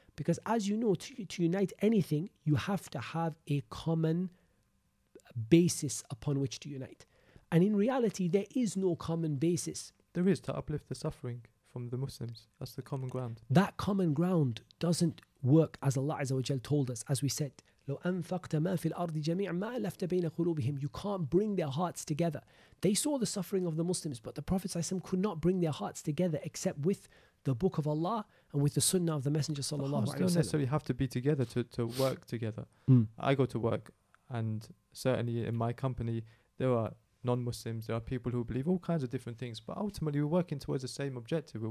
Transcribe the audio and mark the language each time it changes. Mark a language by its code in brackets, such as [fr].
[en] Because as you know, to unite anything, you have to have a common basis upon which to unite. And in reality, there is no common basis. There is, to uplift the suffering from the Muslims. That's the common ground. That common ground doesn't work, as Allah Azza wa Jal told us, as we said. [ar] لو أنفقت ما في الأرض جميع ما ألفت بين قلوبهم. [en] You can't bring their hearts together. They saw the suffering of the Muslims, but the Prophet ﷺ could not bring their hearts together except with the Book of Allah and with the Sunnah of the Messenger ﷺ. Don't necessarily have to be together to work together. I go to work, and certainly in my company there are non-Muslims, there are people who believe all kinds of different things, but ultimately we're working towards the same objective.